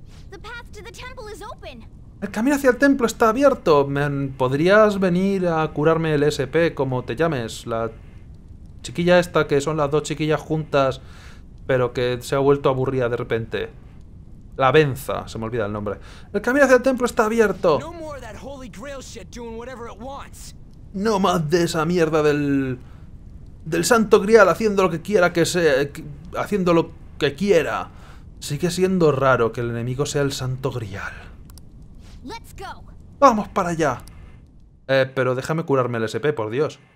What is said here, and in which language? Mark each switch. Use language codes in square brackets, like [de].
[es] El camino al templo está abierto. El camino hacia el templo está abierto. ¿Podrías venir a curarme el SP, como te llames? La chiquilla esta, que son las dos chiquillas juntas, pero que se ha vuelto aburrida de repente. La Benza, se me olvida el nombre. El camino hacia el templo está abierto. [en] No more of that Holy Grail shit doing whatever it wants. [es] No más de esa mierda del Santo Grial haciendo lo que quiera que sea, haciendo lo que quiera. Sigue siendo raro que el enemigo sea el Santo Grial. [en] Let's go. [es] Vamos para allá. Pero déjame curarme el SP, por Dios.